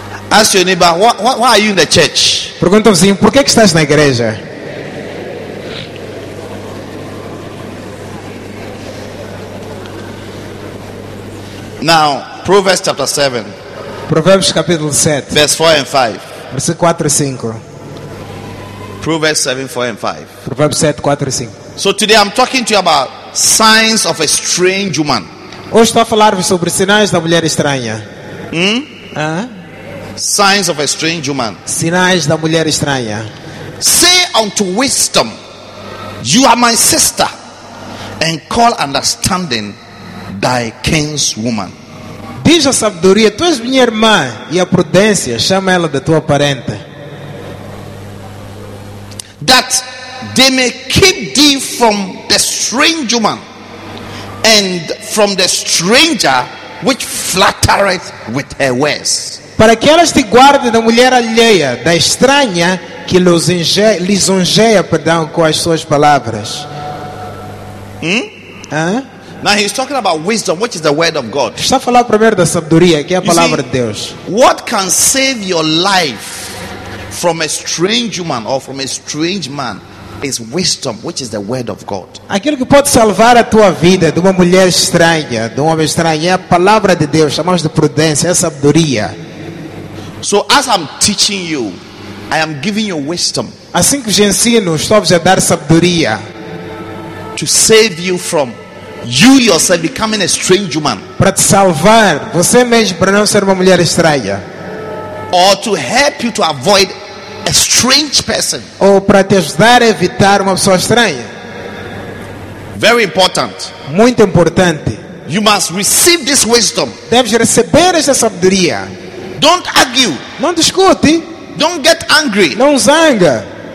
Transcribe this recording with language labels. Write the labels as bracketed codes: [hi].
[en] Ask your neighbor, why are you in the church? [pt] Pergunta ao vizinho, por que estás na igreja? [en] Now, Proverbs chapter 7. [pt] Provérbios capítulo 7. [en] Verse 4 and 5. [pt] Versículo 4 e 5. [en] Proverbs 7, 4 and 5. [pt] Provérbios 7, 4 e 5. [en] So today I'm talking to you about signs of a strange woman. [pt] Hoje estou a falar-vos sobre sinais da mulher estranha. [en] Signs of a strange woman. [pt] Sinais da mulher estranha. [en] Say unto wisdom, you are my sister, and call understanding thy kinswoman. [pt] Diz a sabedoria, tu és minha irmã, e a prudência, chama ela de tua parente. [en] That they may keep thee from the strange woman, and from the stranger which flattereth with her ways. [pt] Para que elas te guardem da mulher alheia, da estranha que lisonjeia, perdão, com as suas palavras. [en] Now he's talking about wisdom, which is the word of God. [pt] Está a falar primeiro da sabedoria, que é a palavra de Deus. [en] What can save your life from a strange woman or from a strange man is wisdom, which is the word of God. [pt] Aquilo que pode salvar a tua vida de uma mulher estranha, de um homem estranho, é a palavra de Deus. Chamamos de prudência, é a sabedoria. [en] So as I'm teaching you, I am giving you wisdom. [pt] Assim que te ensino, estou a dar sabedoria [en] to save you from you yourself becoming a strange woman. [pt] Para te salvar, você mesmo, para não ser uma mulher estranha. [en] Or to help you to avoid a strange person. [pt] Ou para te ajudar a evitar uma pessoa estranha. [en] Very important. [pt] Muito importante. [en] You must receive this wisdom. [pt] Deves receber esta sabedoria. [en] Don't argue. [pt] Não discute. [en] Don't get angry. [pt] Não zanga.